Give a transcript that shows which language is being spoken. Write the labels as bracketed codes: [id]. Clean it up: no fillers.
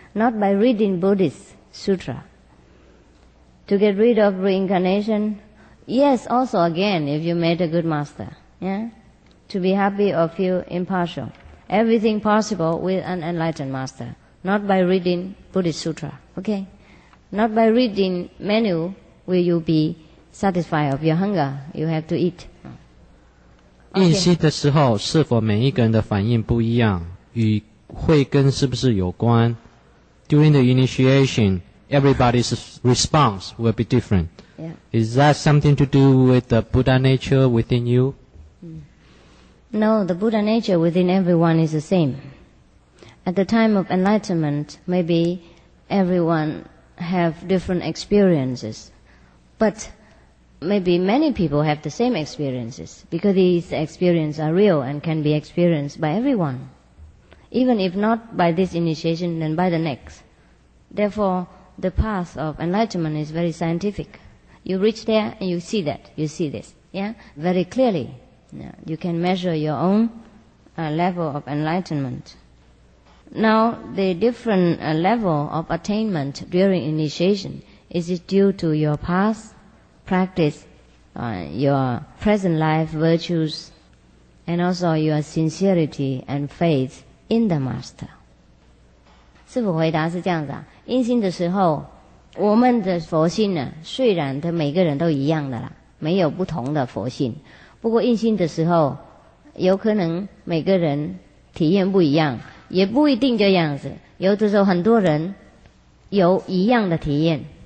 [en] Not by reading Buddhist sutra. To get rid of reincarnation, yes, also again, if you met a good master. Yeah? To be happy or feel impartial. Everything possible with an enlightened master. Not by reading Buddhist sutra. Okay? Not by reading menu will you be satisfied of your hunger. You have to eat. Okay. [zh] 印析的时候是否每一个人的反应不一样, 与慧根是不是有关? [en] During the initiation, everybody's response will be different. Yeah. Is that something to do with the Buddha nature within you? No, the Buddha nature within everyone is the same. At the time of enlightenment, maybe everyone have different experiences. But maybe many people have the same experiences because these experiences are real and can be experienced by everyone. Even if not by this initiation, then by the next. Therefore, the path of enlightenment is very scientific. You reach there and you see that, you see this, yeah? Very clearly. Yeah. You can measure your own level of enlightenment. Now, the different level of attainment during initiation, is it due to your past practice, your present life virtues, and also your sincerity and faith in the Master? [zh] 师父回答是这样子啊, 印心的时候, 我们的佛性呢, 虽然每个人都一样的啦, 没有不同的佛性, 不过印心的时候, 有可能每个人体验不一样, 也不一定这样子, 有的时候很多人, 有一样的体验,